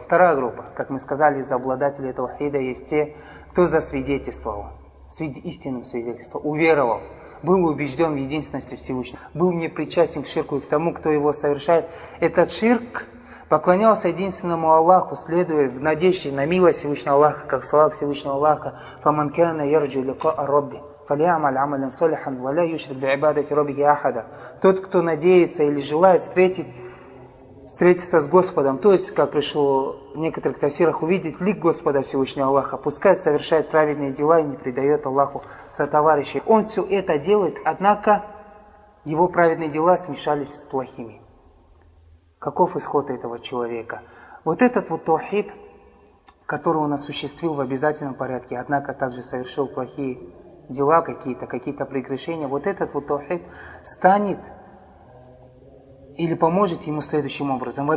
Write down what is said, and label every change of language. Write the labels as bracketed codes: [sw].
[ru] Вторая группа, как мы сказали, из обладателей таухида есть те, кто засвидетельствовал, истинным свидетельством, уверовал, был убежден в единственности Всевышнего, был непричастен к ширку и к тому, кто его совершает. Этот ширк поклонялся единственному Аллаху, следуя в надежде на милость Всевышнего Аллаха, как слава Всевышнего Аллаха. [ar] فَمَنْ كَانَ يَرْجُ لِقَاءَ رَبِّهِ فَلْيَعْمَلْ عَمَلًا صَالِحًا وَلَا يُشْرِكْ بِعِبَادَةِ رَبِّهِ أَحَدًا. [ru] Тот, кто надеется или желает встретить встретиться с Господом, то есть, как пришло в некоторых тафсирах, увидеть лик Господа Всевышнего Аллаха, пускай совершает праведные дела и не предает Аллаху сотоварищей. Он все это делает, однако его праведные дела смешались с плохими. Каков исход этого человека? Вот этот вот таухид, который он осуществил в обязательном порядке, однако также совершил плохие дела какие-то, какие-то прегрешения, вот этот вот таухид станет или поможет ему следующим образом.